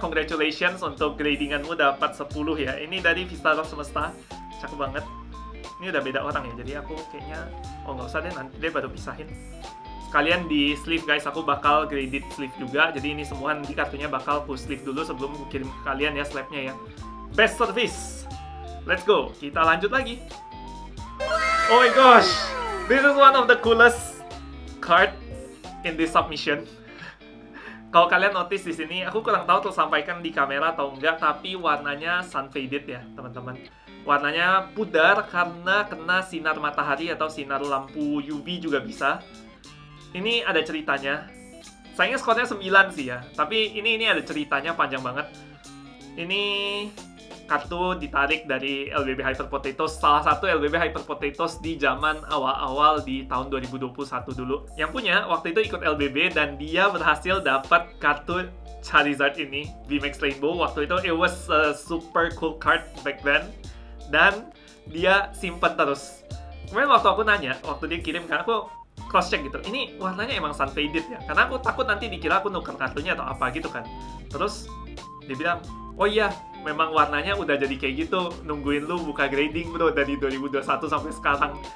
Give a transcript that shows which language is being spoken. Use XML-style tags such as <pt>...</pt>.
<id>Congratulations untuk gradinganmu dapat 10 ya. Ini dari Vistaros Semesta. Cakep banget. Ini udah beda orang ya, jadi aku kayaknya... Oh, nggak usah deh, nanti deh baru pisahin. Sekalian di sleeve guys, aku bakal graded sleeve juga. Jadi ini semua nanti kartunya bakal aku sleeve dulu sebelum aku kirim ke kalian ya, slabnya ya.</id> <en>Best Service. Let's go,</en> <id>kita lanjut lagi.</id> <en>Oh my gosh, this is one of the coolest card in this submission.</en> <id>Kalau kalian notice di sini, aku kurang tahu tersampaikan di kamera atau enggak, tapi warnanya sun faded ya, teman-teman. Warnanya pudar karena kena sinar matahari atau sinar lampu UV juga bisa. Ini ada ceritanya. Sayangnya skornya 9 sih ya, tapi ini ada ceritanya panjang banget. Ini kartu ditarik dari LBB Hyper Potatoes, salah satu LBB Hyper Potatoes di zaman awal-awal di tahun 2021 dulu. Yang punya waktu itu ikut LBB dan dia berhasil dapat kartu Charizard ini, VMAX Rainbow. Waktu itu</id> <en>it was a super cool card back then.</en> <id>Dan dia simpen terus. Kemudian waktu aku nanya, waktu dia kirim, kan aku cross-check gitu. Ini warnanya emang sun faded ya? Karena aku takut nanti dikira aku nuker kartunya atau apa gitu kan. Terus dia bilang, oh iya, memang warnanya udah jadi kayak gitu, nungguin lu buka grading bro dari 2021 sampai sekarang.</id>